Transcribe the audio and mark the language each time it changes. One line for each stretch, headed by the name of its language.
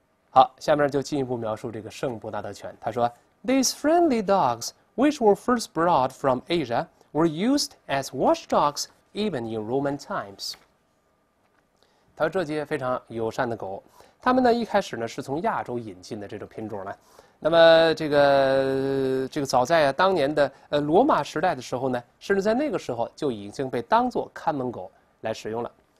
Chinese: 好，下面就进一步描述这个圣伯纳德犬。他说：“
English: These friendly dogs, which were first brought from Asia, were used as watchdogs even in Roman times。
Chinese: ”他说这些非常友善的狗，它们呢一开始呢是从亚洲引进的这种品种呢。那么这个早在当年的罗马时代的时候呢，甚至在那个时候就已经被当作看门狗来使用了。